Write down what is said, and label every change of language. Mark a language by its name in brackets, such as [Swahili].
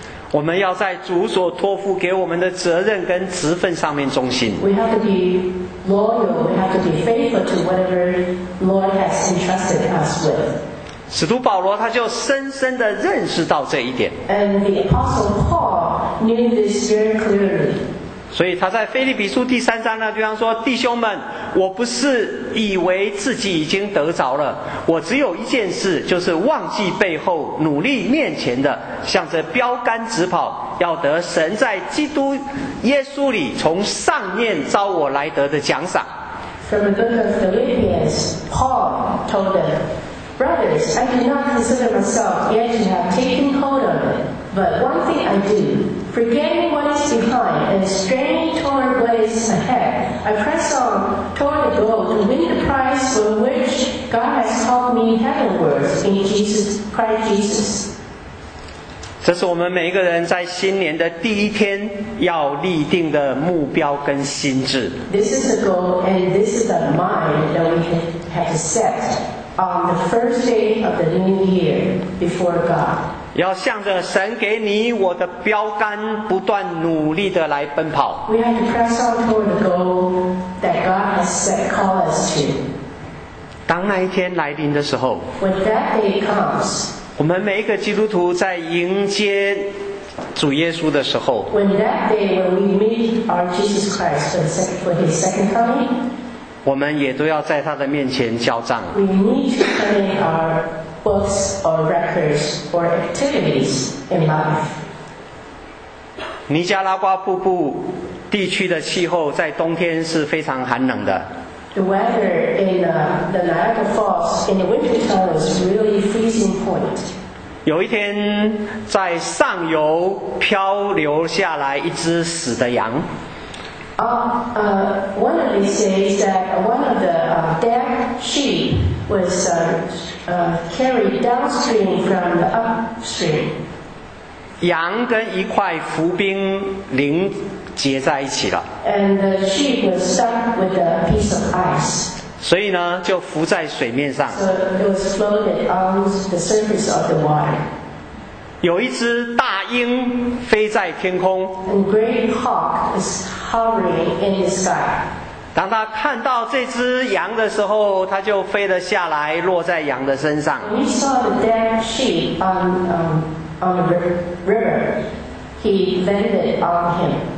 [Chinese] 我们要在主所托付给我们的责任跟职分上面忠心。 [English] We have to be loyal, we have to be faithful to whatever Lord has entrusted us with. [Chinese] 使徒保罗他就深深地认识到这一点。 [English] And the Apostle Paul knew this very clearly. [Chinese] 所以他在腓立比书第三章那地方说弟兄们我不是以为自己已经得着了我只有一件事就是忘记背后努力面前的向着标杆直跑要得神在基督耶稣里从上面召我来得的奖赏 [English] From the book of Philippians Paul told them Brothers I do not consider myself yet to have taken hold of it But one thing I doDo Forgetting what is behind and straining toward what is ahead, I press on toward the goal to win the prize for which God has called me heavenward in Jesus Christ Jesus. [Chinese] 这是我们每一个人在新年的第一天要立定的目标跟心志。 [English] This is the goal and this is the mind that we have set on the first day of the new year before God. [Chinese] 要向着神给你我的标杆不断努力的来奔跑 [English] We have to press on toward the goal that God has set call us to [Chinese] 当那一天来临的时候 [English] When that day comes [Chinese] 我们每一个基督徒在迎接主耶稣的时候 [English] When that day when we meet our Jesus Christ for his second coming [Chinese] 我们也都要在他的面前交账 [English] We need to pay ourbooks or records or activities in life. [Chinese] 尼加拉瓜瀑布地区的气候在冬天是非常寒冷的。 [English] The weather in the Niagara Falls in the wintertime is really freezing point. [Chinese] 有一天在上游漂流下来一只死的羊。 [English] One of these says that one of the dead sheep was carried downstream from the upstream. [Chinese] 羊跟一块浮冰凝结在一起了。 [English] And the sheep was stuck with a piece of ice. [Chinese] 所以呢就浮在水面上。 [English] So it was floating on the surface of the water. [Chinese] 有一只大鹰飞在天空。 [English] And great hawk is hovering in the sky. [Chinese] 当他看到这只羊的时候，他就飞了下来，落在羊的身上。 [English] When he saw the dead sheep on the river, he landed on him.